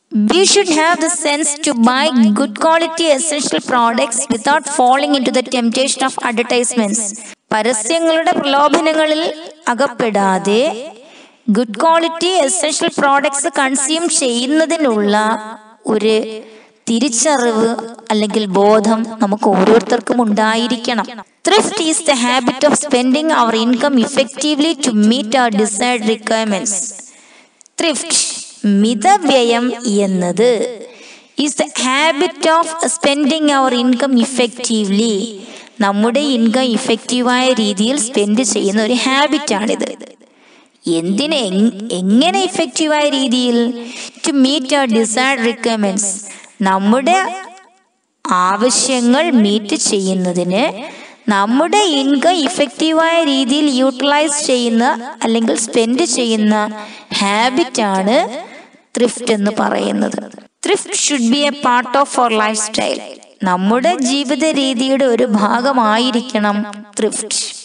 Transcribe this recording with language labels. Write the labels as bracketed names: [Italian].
[English] We should have the sense to buy good quality essential products without following into the temptation of advertisements. [Malayalam] പരസ്യങ്ങളുടെ പ്രലോഭനങ്ങളിൽ അകപ്പെടാതെ good quality essential products consume ചെയ്യുന്നതിനുള്ള ഒരു തിരിച്ചറിവ് അല്ലെങ്കിൽ ബോധം നമുക്ക് ഓരോരുത്തർക്കും ഉണ്ടായിരിക്കണം. [English] Thrift is the habit of spending our income effectively to meet our desired requirements. Thrift, [Malayalam] മിതവ്യയം എന്നത്, [English] is the habit of spending our income effectively. [Malayalam] നമ്മുടെ ഇൻകം ഇഫക്റ്റീവായ രീതിയിൽ സ്പെൻഡ് ചെയ്യുന്ന ഒരു ഹാബിറ്റാണിത്. എന്തിന്, എങ്ങനെ ഇഫക്റ്റീവായ രീതിയിൽ? [English] To meet our desired requirements. [Malayalam] നമ്മുടെ ആവശ്യങ്ങൾ മീറ്റ് ചെയ്യുന്നതിന് നമ്മുടെ ഇൻകം ഇഫക്റ്റീവായ രീതിയിൽ യൂട്ടിലൈസ് ചെയ്യുന്ന അല്ലെങ്കിൽ സ്പെൻഡ് ചെയ്യുന്ന ഹാബിറ്റാണ് ത്രിഫ്റ്റ് എന്ന് പറയുന്നത്. [English] Thrift should be a part of our life style. [Malayalam] നമ്മുടെ ജീവിത രീതിയുടെ ഒരു ഭാഗമായിരിക്കണം ത്രിഫ്റ്റ്.